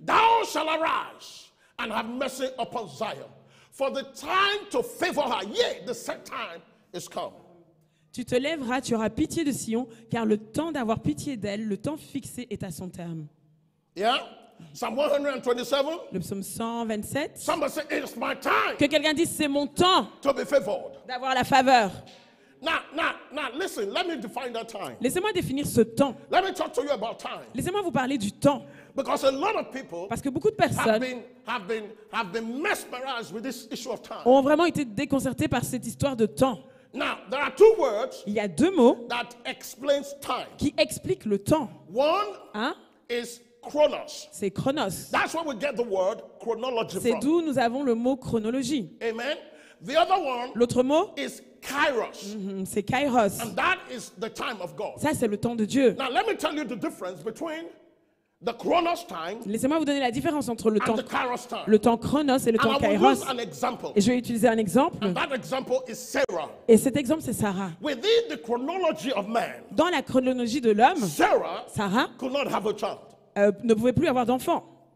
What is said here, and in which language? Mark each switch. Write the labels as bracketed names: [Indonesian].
[English] Thou shalt arise and have mercy upon Zion. For the time to favor her, yea, the set time is come. [French] Tu te lèveras, tu auras pitié de Sion, car le temps d'avoir pitié d'elle, le temps fixé est à son terme. [English] Yeah, Psalm 127. [French] Le psaume 127. [English] Somebody say it's my time. [French] Que quelqu'un dise c'est mon temps. [English] To be favored. [French] D'avoir la faveur. [English] Now, listen. Let me define that time. [French] Laissez-moi définir ce temps. [English] Let me talk to you about time. [French] Laissez-moi vous parler du temps. [English] Because a lot of people [French] parce que beaucoup de personnes [English] have been mesmerized with this issue of time. [French] Ont vraiment été déconcertées par cette histoire de temps. [English] Now, there are two words. [French] Il y a deux mots [English] that explains time. [French] Qui expliquent le temps. [English] One is chronos. [French] C'est chronos. [English] That's where we get the word chronology from. [French] C'est d'où nous avons le mot chronologie. [English] Amen. The other one [French] l'autre mot [English] is Kairos. [French] Mm-hmm, c'est Kairos. [English] And that is the time of God. [French] Ça, c'est le temps de Dieu. [English] Now, let me tell you the difference between the chronos time. [French] Laissez-moi vous donner la différence entre le [English] and [French] temps [English] the Kairos time. [French] Le temps chronos et le [English] and [French] temps Kairos. [English] I will use an example. [French] Et je vais utiliser un exemple. [English] And that example is Sarah. [French] Et cet exemple, c'est Sarah. [English] Within the chronology of man. [French] Dans la chronologie de l'homme, [English] Sarah could not have a child. [French] Ne pouvait plus avoir d'enfant.